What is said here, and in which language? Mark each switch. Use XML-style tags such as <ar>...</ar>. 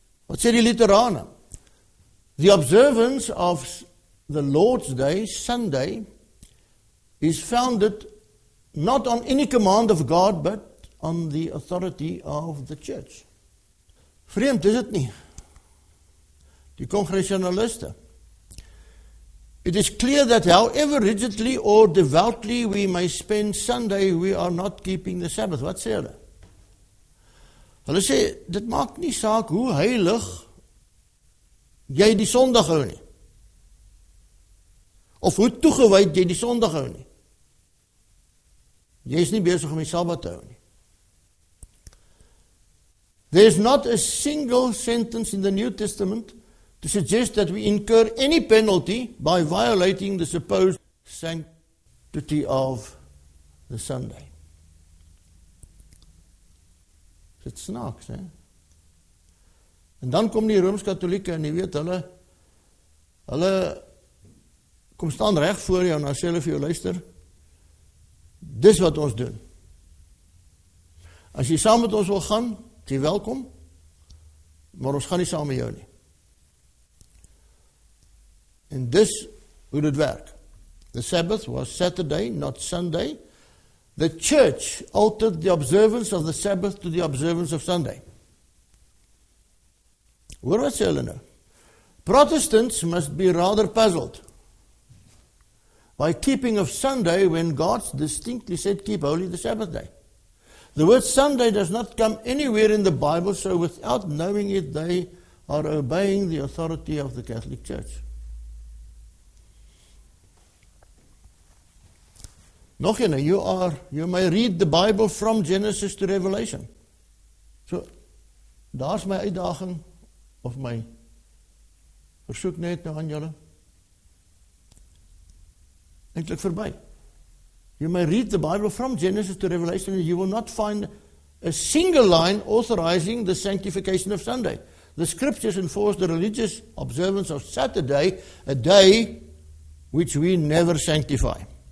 <af>Wat sê die Lutherane?</af> <en>The observance of the Lord's Day, Sunday, is founded not on any command of God, but on the authority of the church.</en> <af>Vreemd is het nie.</af> <en>Die Congregationaliste. It is clear that however rigidly or devoutly we may spend Sunday, we are not keeping the Sabbath.</en> <af>Wat sê hulle? Hulle sê, dit maak nie saak hoe heilig jy die Sondag hou nie. Of hoe toegewyd jy die Sondag hou nie. Jy is nie besig om die Sabbat te hou nie.</af> <en>There is not a single sentence in the New Testament to suggest that we incur any penalty by violating the supposed sanctity of the Sunday.</en> <af>Dit snaaks, hè? En dan kom die Rooms-Katolieke en jy weet, hulle kom staan reg voor jou en as hulle vir jou luister, dis wat ons doen. As jy saam met ons wil gaan, jy welkom, maar ons gaan nie saam met jou nie. En dis hoe dit werk.</af> <en>The Sabbath was Saturday, not Sunday. The church altered the observance of the Sabbath to the observance of Sunday.</en> <af>Hoor wat sê hulle nou?</af> <en>Protestants must be rather puzzled by keeping of Sunday when God distinctly said keep holy the Sabbath day. The word Sunday does not come anywhere in the Bible, so without knowing it, they are obeying the authority of the Catholic Church.</en> <af>Nog ene,</af> <en>you may read the Bible from Genesis to Revelation.</en> <af>So, daar's my uitdaging, of my versoek net nou aan julle. Eintlik verby.</af> <en>You may read the Bible from Genesis to Revelation and you will not find a single line authorizing the sanctification of Sunday. The scriptures enforce the religious observance of Saturday, a day which we never sanctify.</en>